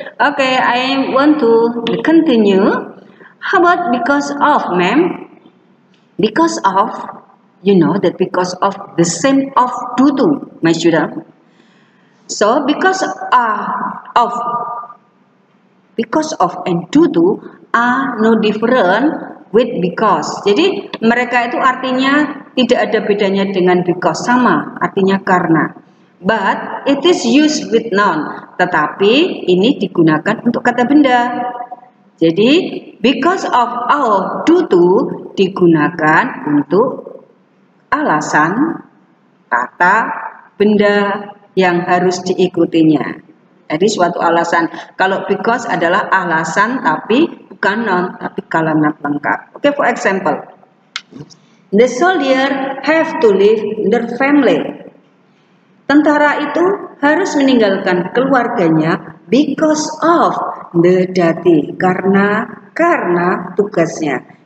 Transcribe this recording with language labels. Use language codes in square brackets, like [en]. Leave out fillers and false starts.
[en] Okay, I want to continue. How about because of, ma'am? Because of, you know that because of the same of due to, my student. So, because of, because of and due to, are no different with because. [id] Jadi mereka itu artinya tidak ada bedanya dengan because, sama artinya karena. [en] But it is used with noun. [id] Tetapi ini digunakan untuk kata benda. Jadi [en] because of or due to [id] digunakan untuk alasan kata benda yang harus diikutinya. Jadi suatu alasan. Kalau because adalah alasan tapi bukan noun, tapi kalimat lengkap. [en] Okay, for example, the soldier have to leave their family. [id] Tentara itu harus meninggalkan keluarganya [en] because of the duty, [id] karena tugasnya.